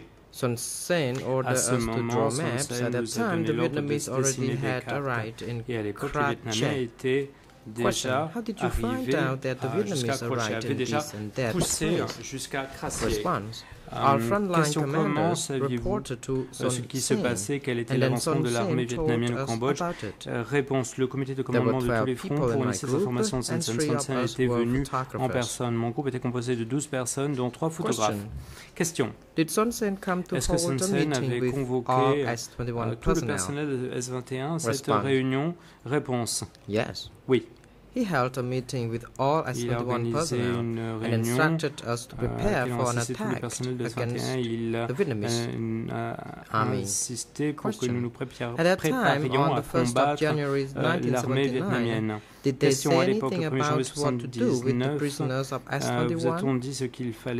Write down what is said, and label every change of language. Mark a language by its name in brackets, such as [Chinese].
[English] Sun Sen ordered us to draw maps. At that time, the Vietnamese already had arrived in Krachet. Question, how did you find out that the Vietnamese arrived in this and that place? Response, our frontline commanders reported to Sun Sen, and then Sun Sen told us about it. [French] Réponse, le comité de commandement de tous les fronts fournissait cette information. Sun Sen était venu en personne. Mon groupe était composé de 12 personnes, dont 3 photographes. [English] Question, did Sun Sen come to hold a meeting with our S-21 [French] tout le personnel de S-21 à cette réunion? Réponse, [English] yes. [French] Oui. [English] He held a meeting with all S-21 personnel and instructed us to prepare for an attack against the Vietnamese army. Question. At that time, on the 1st of January 1979, did they say anything about what to do with the prisoners of S-21?